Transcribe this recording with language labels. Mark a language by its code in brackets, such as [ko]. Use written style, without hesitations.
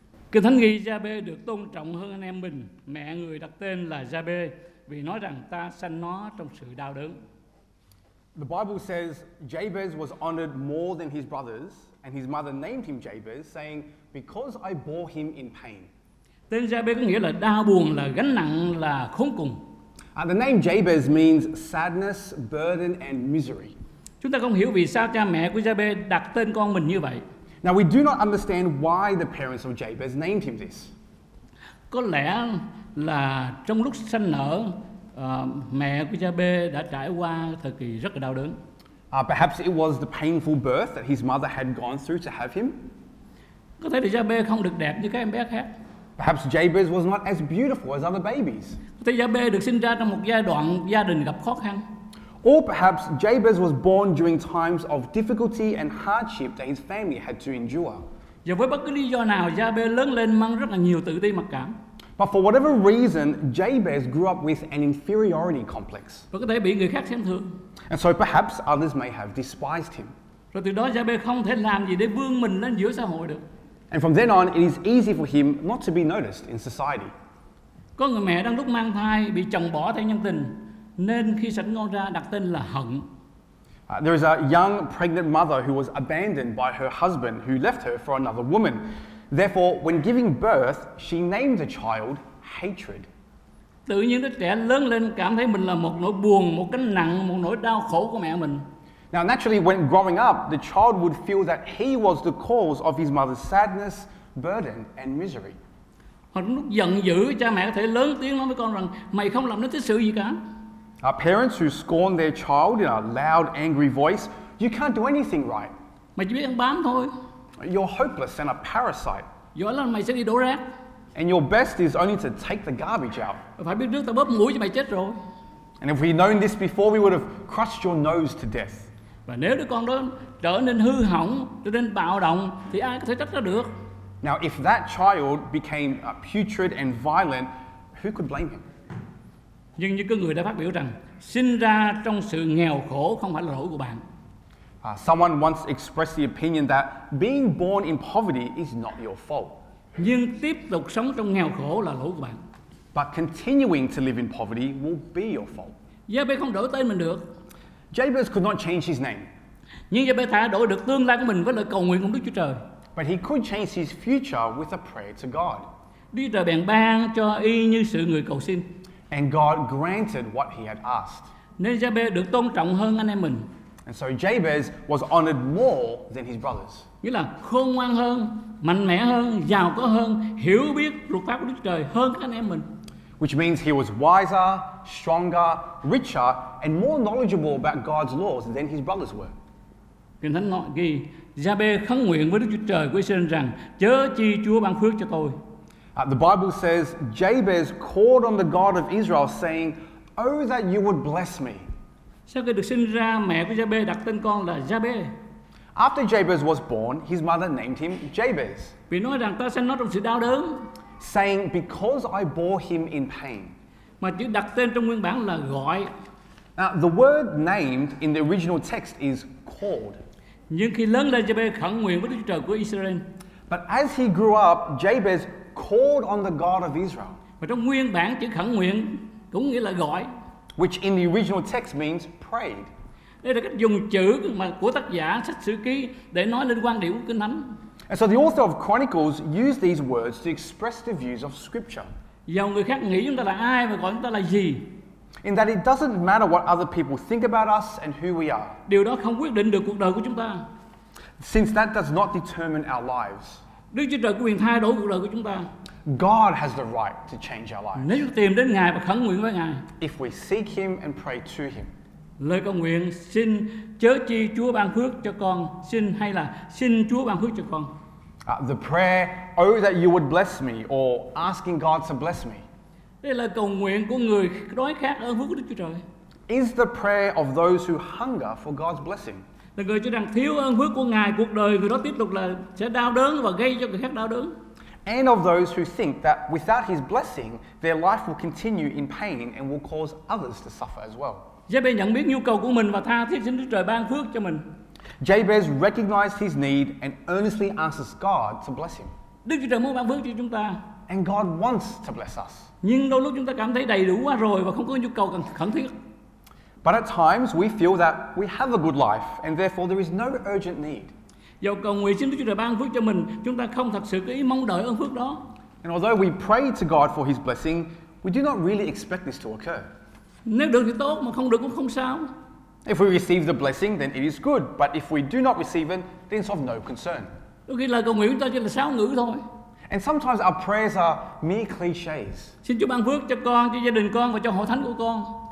[vi] Kinh Thánh ghi Gia-bê được tôn trọng hơn anh em mình. Mẹ người đặt tên là Gia-bê vì nói rằng ta sanh nó trong sự đau đớn. [en] The Bible says Jabez was honored more than his brothers, and his mother named him Jabez, saying, "Because I bore him in pain." [vi] Tên Jabez có nghĩa là đau buồn, là gánh nặng, là khốn cùng. [en] The name Jabez means sadness, burden, and misery. [vi] Chúng ta không hiểu vì sao cha mẹ của Jabez đặt tên con mình như vậy. [en] Now we do not understand why the parents of Jabez named him this. [vi] Có lẽ là trong lúc sanh nở, mẹ của Jabez đã trải qua thời kỳ rất là đau đớn. [en] Perhaps it was the painful birth that his mother had gone through to have him. [vi] Có thể Jabez không được đẹp như các em bé khác. [en] Perhaps Jabez was not as beautiful as other babies. [vi] Có thể Jabez được sinh ra trong một giai đoạn gia đình gặp khó khăn. [en] Or perhaps Jabez was born during times of difficulty and hardship that his family had to endure. [vi] Và với bất cứ lý do nào, Jabez lớn lên mang rất là nhiều tự ti mặc cảm. [en] But for whatever reason, Jabez grew up with an inferiority complex. [vi] Và có thể bị người khác xem thường. [en] And so perhaps others may have despised him. [vi] Rồi từ đó Jabez không thể làm gì để vươn mình lên giữa xã hội được. [en] And from then on, it is easy for him not to be noticed in society. [vi] Có người mẹ đang lúc mang thai bị chồng bỏ theo nhân tình, nên khi sẵn con ra đặt tên là Hận. [en] There is a young pregnant mother who was abandoned by her husband who left her for another woman. Therefore, when giving birth, she named the child Hatred. [vi] Tự nhiên đứa trẻ lớn lên cảm thấy mình là một nỗi buồn, một gánh nặng, một nỗi đau khổ của mẹ mình. [en] Now, naturally, when growing up, the child would feel that he was the cause of his mother's sadness, burden, and misery. [vi] Hoặc lúc giận dữ, cha mẹ có thể lớn tiếng nói với con rằng mày không làm nên thứ sự gì cả. [en] Our parents who scorn their child in a loud, angry voice, you can't do anything right. [vi] Mày chỉ biết ăn bám thôi. [en] You're hopeless and a parasite. [vi] Giỏi lắm mày sẽ đi đổ rác. [en] And your best is only to take the garbage out. [vi] Phải biết trước tao bóp mũi cho mày chết rồi. [en] And if we'd known this before, we would have crushed your nose to death. [vi] Và nếu đứa con đó trở nên hư hỏng, trở nên bạo động, thì ai có thể trách nó được? [en] Now, if that child became putrid and violent, who could blame him? [vi] Nhưng như cái người đã phát biểu rằng, sinh ra trong sự nghèo khổ không phải là lỗi của bạn. [en] Someone once expressed the opinion that being born in poverty is not your fault. [vi] Nhưng tiếp tục sống trong nghèo khổ là lỗi của bạn. [en] But continuing to live in poverty will be your fault. [vi] Jabez không đổi tên mình được. [en] Jabez could not change his name. [vi] Nhưng Jabez thà đổi được tương lai của mình với lời cầu nguyện của Đức Chúa Trời. [en] But he could change his future with a prayer to God. [vi] Đức Chúa Trời bèn ban cho y như sự người cầu xin. [en] And God granted what he had asked. [vi] Nên Jabez được tôn trọng hơn anh em mình. [en] And so Jabez was honored more than his brothers. [vi] Nghĩa là khôn ngoan hơn, mạnh mẽ hơn, giàu có hơn, hiểu biết luật pháp của Đức Chúa Trời hơn các anh em mình. [en] Which means he was wiser, stronger, richer, and more knowledgeable about God's laws than his brothers were. [vi] Kinh Thánh nói ghi, Jabez khấn nguyện với Đức Chúa Trời của Israel rằng, chớ chi Chúa ban phước cho tôi. [en] The Bible says, Jabez called on the God of Israel saying, "Oh that you would bless me." [vi] Sau khi được sinh ra, mẹ của Jabez đặt tên con là Jabez. [en] After Jabez was born, his mother named him Jabez. [vi] Vì nói rằng ta sinh nó trong sự đau đớn. [en] Saying, because I bore him in pain. [vi] Mà chữ đặt tên trong nguyên bản là gọi. [en] Now, the word named in the original text is called. [vi] Nhưng khi lớn lên, Jabez khẩn nguyện với Đức Chúa Trời của Israel. [en] But as he grew up, Jabez called on the God of Israel. [vi] Và trong nguyên bản chữ khẩn nguyện cũng nghĩa là gọi. [en] Which in the original text means prayed. [vi] Đây là cách dùng chữ mà của tác giả sách Sử Ký để nói lên quan điểm của Kinh Thánh. [en] And so the author of Chronicles used these words to express the views of Scripture. [vi] Dù người khác nghĩ chúng ta là ai và gọi chúng ta là gì. [en] In that it doesn't matter what other people think about us and who we are. [vi] Điều đó không quyết định được cuộc đời của chúng ta. [en] Since that does not determine our lives. [vi] Đức Chúa Trời có quyền thay đổi cuộc đời của chúng ta. [en] God has the right to change our lives. [vi] Nếu tìm đến Ngài và khẩn nguyện với Ngài. [en] If we seek Him and pray to Him. [vi] Lời cầu nguyện xin chớ chi Chúa ban phước cho con, xin hay là xin Chúa ban phước cho con. [en] The prayer, oh that you would bless me, or asking God to bless me. [vi] Đây là cầu nguyện của người đói khát ơn phước của Đức Chúa Trời. [en] Is the prayer of those who hunger for God's blessing. [vi] Là người cho rằng thiếu ơn phước của Ngài cuộc đời người đó tiếp tục là sẽ đau đớn và gây cho người khác đau đớn. [en] And of those who think that without His blessing, their life will continue in pain and will cause others to suffer as well. [vi] Jabez nhận biết nhu cầu của mình và tha thiết xin Đức Trời ban phước cho mình. [en] Jabez recognized his need and earnestly asks God to bless him. [vi] Đức Chúa Trời muốn ban phước cho chúng ta. [en] And God wants to bless us. [vi] Nhưng đôi lúc chúng ta cảm thấy đầy đủ quá rồi và không có nhu cầu cần khẩn thiết. [en] But at times we feel that we have a good life and therefore there is no urgent need. [vi] Dù cầu nguyện xin Đức Chúa Trời ban phước cho mình, chúng ta không thật sự có ý mong đợi ơn phước đó. [en] And although we pray to God for His blessing, we do not really expect this to occur. [vi] Nếu được thì tốt, mà không được cũng không sao. [en] If we receive the blessing, then it is good. But if we do not receive it, then it's of no concern. [vi] Đôi khi lời cầu nguyện chúng ta chỉ là sáo ngữ thôi. [en] And sometimes our prayers are mere cliches. [vi] Xin Chúa ban phước cho con, cho gia đình con và cho hội thánh của con.